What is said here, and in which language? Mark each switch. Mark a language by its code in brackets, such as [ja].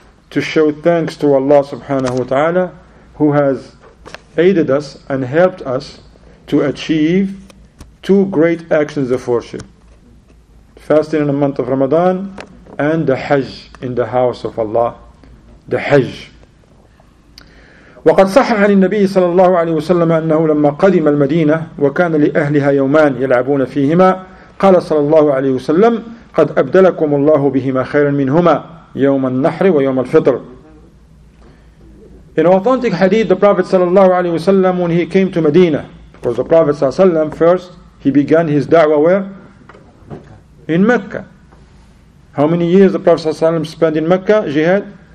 [en] To show thanks to Allah subhanahu wa ta'ala, who has aided us and helped us to achieve two great actions of worship. Fasting in the month of Ramadan and the Hajj in the house of Allah. The Hajj. [ar] وقد صحح للنبي صلى الله عليه وسلم أنه لما قدم المدينة وكان لأهلها يومان يلعبون فيهما قال صلى الله عليه وسلم قد أبدلكم الله بهما خيرا منهما يوم النحر ويوم الفطر. [en] In authentic hadith, the Prophet صلى الله عليه وسلم, when he came to Medina, because the Prophet صلى الله عليه وسلم, first he began his da'wah where? In Mecca. How many years the Prophet صلى الله عليه وسلم spent in Mecca, jihad?